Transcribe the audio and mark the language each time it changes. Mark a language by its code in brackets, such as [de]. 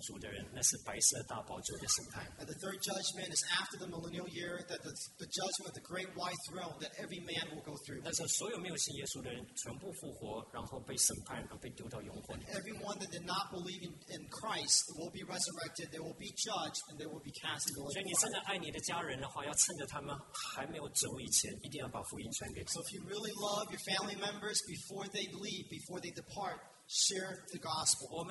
[zh] 第三个审判是千年国度以后所有不信主的人，那是白色大宝座的审判。 [en] And the third judgment is after the millennial year, that the judgment of the great white throne that every man will go through. [zh] 那时候所有没有信耶稣的人全部复活，然后被审判，然后被丢到永火里。 [en] Everyone that did not believe in Christ will be resurrected. They will be judged and they will be cast into the lake. [zh] 所以你真的爱你的家人的话，要趁着他们还没有走以前，一定要把福音传给他们。 [en] So if you really love your family members. Before they leave, before they depart, share the gospel.